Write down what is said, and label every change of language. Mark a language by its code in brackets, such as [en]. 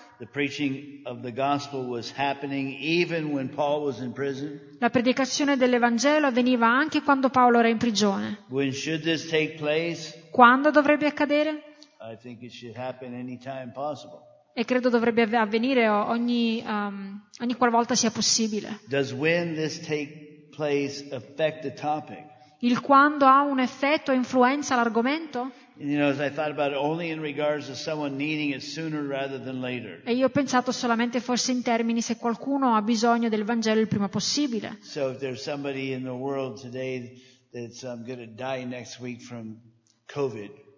[en] The preaching of the gospel was happening even when Paul was in prison. [it] La predicazione dell'Evangelo avveniva anche quando Paolo era in prigione. [en] When should this take place? [it] Quando dovrebbe accadere? [en] I think it should happen any time possible. [it] E credo dovrebbe avvenire ogni qualvolta sia possibile. [en] Does when this take place affect the topic? [it] Il quando ha un effetto o influenza l'argomento? E io ho pensato solamente forse in termini se qualcuno ha bisogno del Vangelo il prima possibile. [en] So if there's somebody in the world today that's gonna die next week from COVID.